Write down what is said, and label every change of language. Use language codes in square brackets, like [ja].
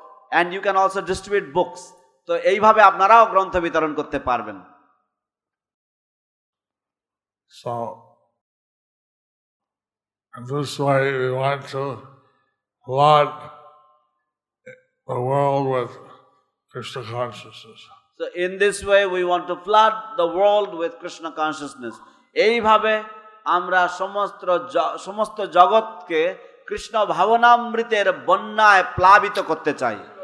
[en] And you can also distribute books. [bn] তো এইভাবে আপনারাও গ্রন্থ বিতরণ করতে পারবেন। [en] So this way we want to flood the world with Krishna consciousness. So in this way we want to flood the world with Krishna consciousness. [bn] এইভাবে আমরা সমস্ত জগৎকে কৃষ্ণ ভাবনামৃতের বন্যায় প্লাবিত করতে চাই।